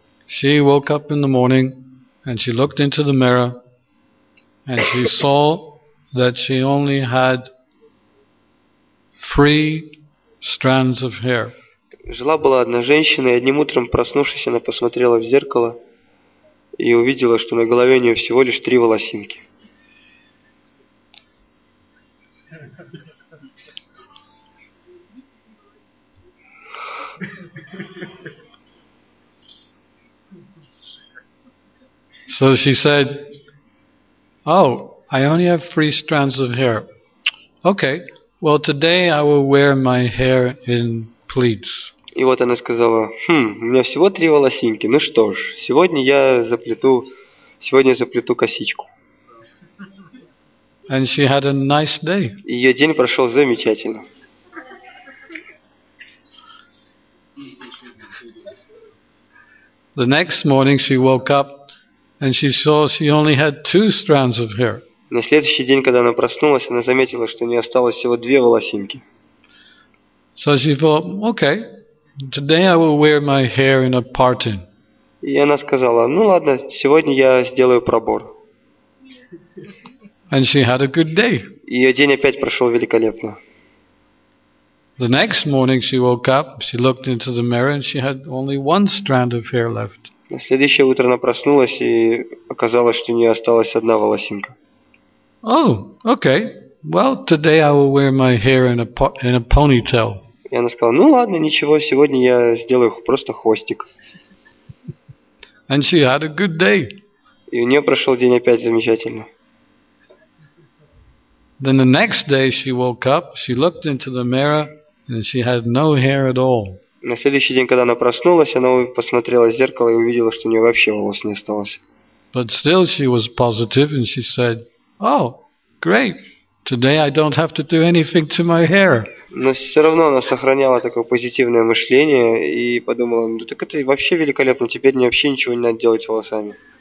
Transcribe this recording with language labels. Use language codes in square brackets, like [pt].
[en] She woke up in the morning and she looked into the mirror and she saw that she only had 3 strands of hair. [ru] Жила была одна женщина, и одним утром, проснувшись, она посмотрела в зеркало и увидела, что на голове у нее всего лишь 3 волосинки. [en] So she said, "Oh, I only have 3 strands of hair. Okay, well today I will wear my hair in pleats." [ru] И вот она сказала: у меня всего 3 волосинки. Ну что ж, сегодня я заплету косичку." [en] And she had a nice day. [ru] Её день прошёл замечательно. [en] The next morning she woke up and she saw she only had 2 strands of hair. [ru] На следующий день, когда она проснулась, она заметила, что у неё осталось всего 2 волосинки. [en] So she thought, "Okay, today I will wear my hair in a parting." [ru] И она сказала: "Ну ладно, сегодня я сделаю пробор." [en] And she had a good day. [ru] Её день опять прошёл великолепно. [en] The next morning she woke up, she looked into the mirror and she had only 1 strand of hair left. [ru] На следующее утро она проснулась и оказалось, что у неё осталась 1 волосинка. [en] Oh, okay. Well, today I will wear my hair in a ponytail. [ru] И она сказала: "Ну ладно, ничего, сегодня я сделаю просто хвостик." [en] And she had a good day. [ru] И у неё прошёл день опять замечательно. [en] Then the next day she woke up, she looked into the mirror and she had no hair at all. [ru] На следующий день, когда она проснулась, она посмотрела в зеркало и увидела, что у неё вообще волос не осталось. [en] But still she was positive and she said, "Oh, great. Today I don't have to do anything to my hair." [ru] Но всё равно она сохраняла такое позитивное мышление и подумала: "Ну так это вообще великолепно, теперь мне вообще ничего не надо делать с волосами."